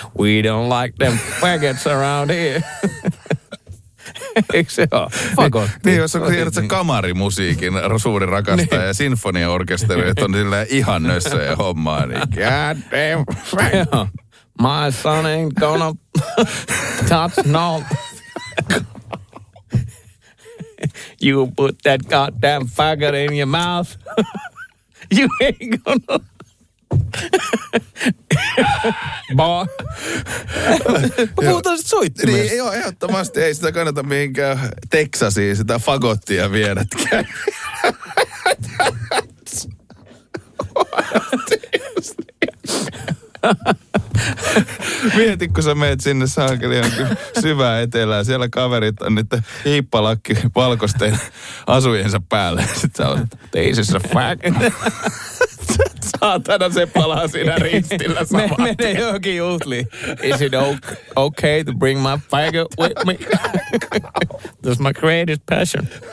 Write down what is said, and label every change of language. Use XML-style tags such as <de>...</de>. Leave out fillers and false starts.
<en>We don't like them faggots around here.</en> <fi>Eikö se ole? Fagotti. Niin, jos on tiedät sen kamarimusiikin suuri rakastaja niin. Ja sinfoniaorkesteri, että on silleen ihannössä ja hommaa, niin</fi> <en>god damn. My son ain't gonna touch no. You put that goddamn faggot in your mouth. You ain't gonna...</en> <fi>Puhutaan sitten soittimesta. Niin, joo, ehdottomasti ei sitä kannata mihinkään Texasiin sitä fagottia viedä. Mieti, kun sä meet sinne saakeliin syvään etelään. Siellä kaverit on niitä hiippalakki valkoisten asujensa päälle. Sitten sä olet,</fi> <en>this is a fact.</en> <fi>Saatana se palaa siinä ristillä samaan. Mene johonkin juhliin.</fi> <en>Is it okay to bring my faggot with me? This is my greatest passion.</en>